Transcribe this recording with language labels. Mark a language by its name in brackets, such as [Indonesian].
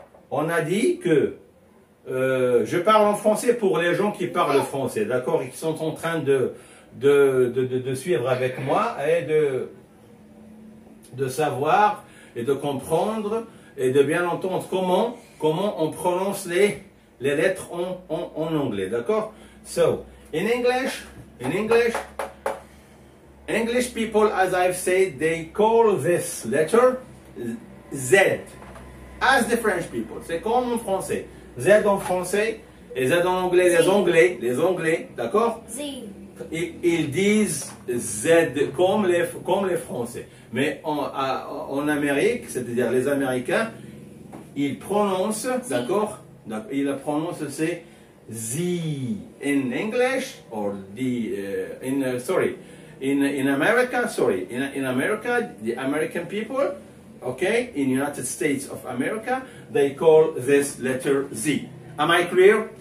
[French] On a dit que je parle en français pour les gens qui parlent français, d'accord, et qui sont en train de suivre avec moi et de savoir et de comprendre et de bien entendre comment on prononce les lettres en anglais, d'accord. [English] So, in English people, as I've said, they call this letter Z. As the French people, [French] c'est comme en français. Z en français et Z en anglais, les Anglais, d'accord? Z. Ils disent Z comme les Français. Mais en Amérique, c'est-à-dire les Américains, ils prononcent, Z. D'accord? Ils prononcent, c'est Z. [English] In English, or the, in America, the American people, okay, in United States of America, they call this letter Z. Am I clear?